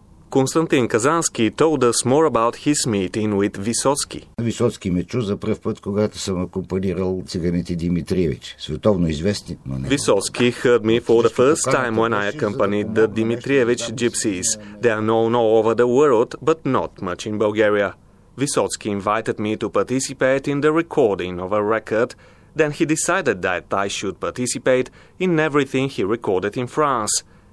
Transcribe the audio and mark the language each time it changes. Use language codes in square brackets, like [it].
[en] Константин Казански told us more about his meeting with Висоцки. [bg] Висоцки ме чу за пръв път, когато съм акомпанирал циганите Димитриевич. Световно известни, но не... [en] Висоцки heard me for the first time when I accompanied the Димитриевич gypsies. They are known all over the world, but not much in Bulgaria. Висоцки invited me to participate in the recording of a record. Then he decided that I should participate in everything he recorded in France.